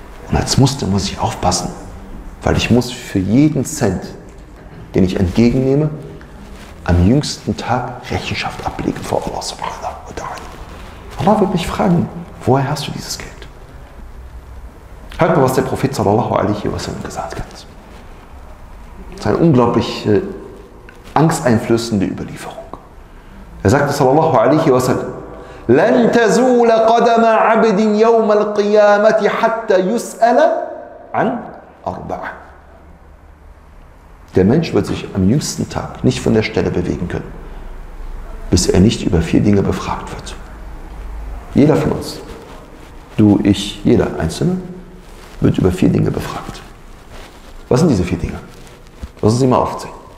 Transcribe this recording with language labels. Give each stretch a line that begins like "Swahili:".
German: Und als Muslim muss ich aufpassen, weil ich muss für jeden Cent, den ich entgegennehme, am jüngsten Tag Rechenschaft ablegen vor Allah subhanahu wa ta'ala. Allah wird mich fragen, woher hast du dieses Geld? Hört mal, was der Prophet sallallahu alaihi wa sallam gesagt hat. Das ist eine unglaublich angsteinflößende Überlieferung. Er sagte
Arabic: sallallahu alaihi wa sallam, لن تزول قدم عبد يوم القيامة حتى يسأل عن أربعة.
German: Der Mensch wird sich am jüngsten Tag nicht von der Stelle bewegen können, bis er nicht über vier Dinge befragt wird. Jeder von uns, du, ich, jeder Einzelne, wird über vier Dinge befragt. Was sind diese vier Dinge? Lass uns sie mal aufzählen.